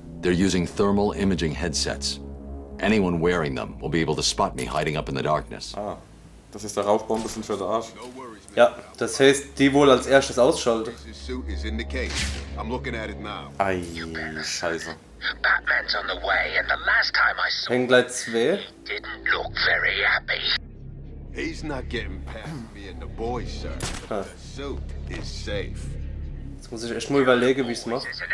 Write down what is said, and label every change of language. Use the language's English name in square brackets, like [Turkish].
[English] They're using thermal imaging headsets. Anyone wearing them will be able to spot me hiding up in the darkness. [German] Ah, das ist der Rauchbau ein bisschen für den Arsch. Ja, das heißt, die wohl als erstes ausschalten. Scheiße. [English] Batman's on the way, and the last time I saw Hengleit 2. Didn't look very happy. He's not getting past me and the boys, sir. Ah. The suit is safe. [German] Jetzt muss ich erst mal überlegen, wie ich es mache.